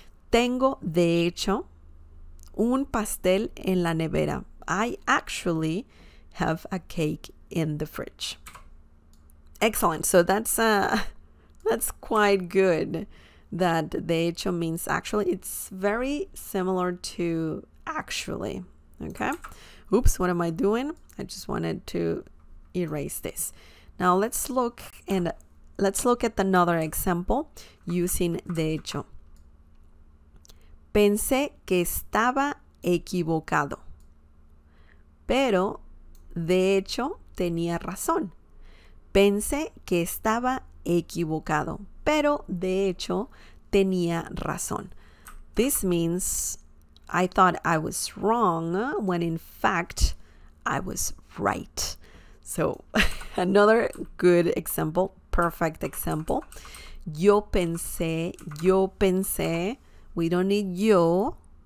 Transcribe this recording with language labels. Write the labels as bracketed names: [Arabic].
[Spanish] Tengo de hecho un pastel en la nevera. [English] I actually have a cake in the fridge. Excellent. So that's quite good that de hecho means actually. It's very similar to actually. Okay. Oops, what am I doing? I just wanted to erase this. Now let's look at another example using de hecho. [Spanish] Pensé que estaba equivocado, pero de hecho tenía razón. Pensé que estaba equivocado, pero de hecho tenía razón. [English] This means I thought I was wrong when in fact I was right. So, another good example, perfect example. [Spanish] Yo pensé, [English] we don't need yo.